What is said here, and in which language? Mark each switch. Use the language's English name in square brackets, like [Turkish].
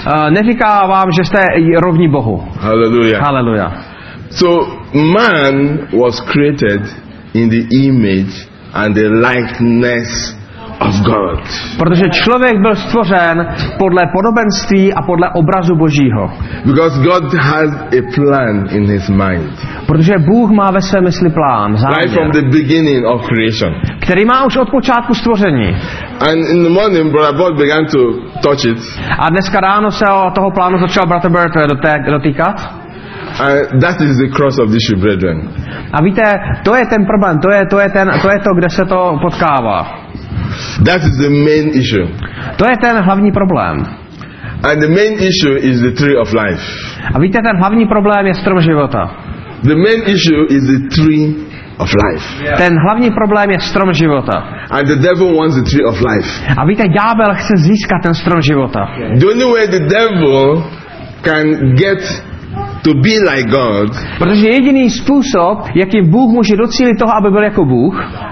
[Czech] Neříká vám, že jste rovní Bohu. Hallelujah. Hallelujah. [English] So man was created in the image and the likeness of God. [Czech] Protože člověk byl stvořen podle podobenství a podle obrazu Božího. [English] Because God has a plan in his mind. [Czech] Protože Bůh má ve své mysli plán, záměr. [English] Right from the beginning of creation. [Czech] Který má už od počátku stvoření. [English] And in the morning Brother Bob began to touch it. [Czech] A dneska ráno se o toho plánu začal Brother Bert dotýkat. [English] That is the cross of the issue, brethren. [Czech] A víte, to je ten problém, to je to, kde se to potkává. [English] That is the main issue. [Czech] To je ten hlavní problém. [English] And the main issue is the tree of life. [Czech] A víte, ten hlavní problém je strom života. [English] The main issue is the tree of life. Yeah. [Czech] Ten hlavní problém je strom života. [English] And the devil wants the tree of life. [Czech] A víte, ďábel chce získat ten strom života. [English] Yeah. The only way the devil can get to be like God. [Czech] Protože jediný způsob, jakým Bůh může docílit toho, aby byl jako Bůh.